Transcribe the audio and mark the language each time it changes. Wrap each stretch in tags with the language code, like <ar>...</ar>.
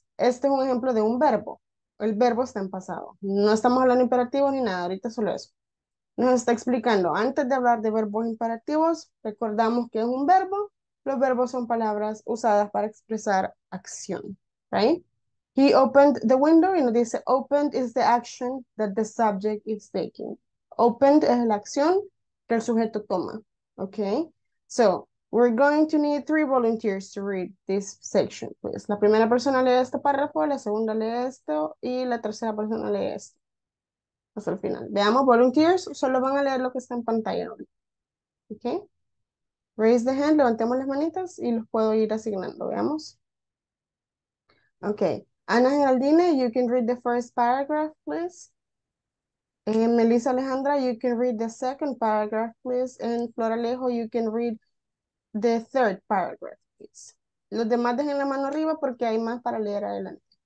<es>Este es un ejemplo de un verbo. El verbo está en pasado. No estamos hablando imperativo ni nada, ahorita solo eso. Nos está explicando, antes de hablar de verbos imperativos, recordamos que es un verbo. Los verbos son palabras usadas para expresar acción, right?</es> <en>He opened the window</en> <es>y nos dice,</es> <en>opened is the action that the subject is taking.</en> <es>Opened es la acción que el sujeto toma, okay?</es> <en>So, we're going to need 3 volunteers to read this section, please.</en> <es>La primera persona lee este párrafo, la segunda lee esto y la tercera persona lee esto. Hasta el final. Veamos, volunteers, solo van a leer lo que está en pantalla. Ok.</es> <en>Raise the hand,</en> <es>levantemos las manitas y los puedo ir asignando. Veamos. Ok.</es> <en>Ana Geraldine, you can read the first paragraph, please. And Melissa Alejandra, you can read the second paragraph, please. And Flor Alejo, you can read the third paragraph, please.</en> <es>Los demás dejen la mano arriba porque hay más para leer adelante.</es>